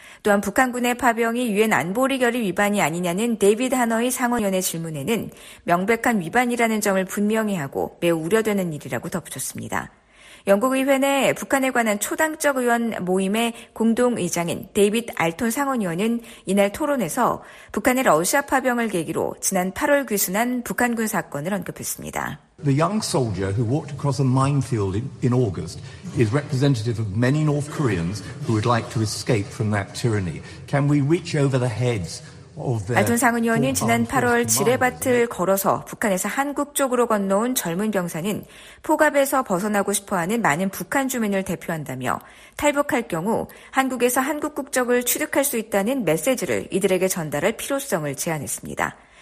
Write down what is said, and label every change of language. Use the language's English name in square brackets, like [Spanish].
[Korean] 또한 북한군의 파병이 유엔 안보리 결의 위반이 아니냐는 데이비드 하너이 상원의원의 질문에는 명백한 위반이라는 점을 분명히 하고 매우 우려되는 일이라고 덧붙였습니다. 영국의회 내 북한에 관한 초당적 의원 모임의 공동의장인 데이빗 알톤 상원의원은 이날 토론에서 북한의 러시아 파병을 계기로 지난 8월 귀순한 북한군 사건을 언급했습니다. [English] The young soldier who walked across a minefield in August is representative of many North Koreans who would like to escape from that tyranny. Can we reach over the heads? [Korean] 알톤 상원의원은 지난 8월 지레밭을 걸어서 북한에서 한국 쪽으로 건너온 젊은 병사는 포갑에서 벗어나고 싶어하는 많은 북한 주민을 대표한다며 탈북할 경우 한국에서 한국 국적을 취득할 수 있다는 메시지를 이들에게 전달할 필요성을 제안했습니다.